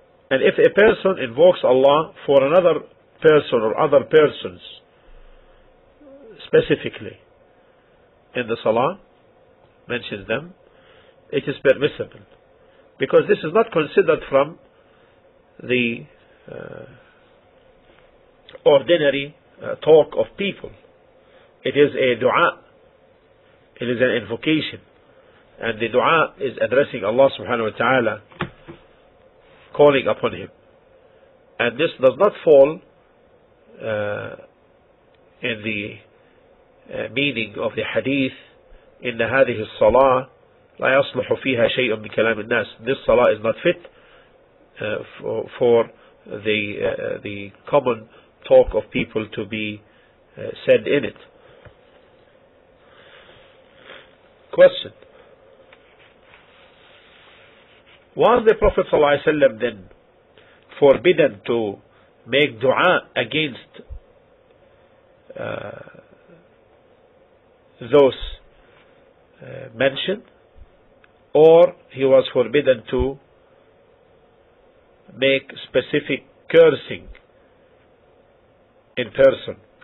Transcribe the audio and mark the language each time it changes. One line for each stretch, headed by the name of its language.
English: And if a person invokes Allah for another person or other persons specifically in the salah, mentions them, it is permissible, because this is not considered from the ordinary talk of people. It is a dua, it is an invocation, and the dua is addressing Allah subhanahu wa ta'ala, calling upon him. And this does not fall in the meaning of the hadith,
Arabic: إن هذه الصلاة لا يصلح فيها شيء من كلام الناس.
English: This salah is not fit for the common talk of people to be said in it. Question: was the Prophet
Arabic: صلى الله عليه وسلم
English: then forbidden to make du'a against those mentioned, or he was forbidden to make specific cursing in person?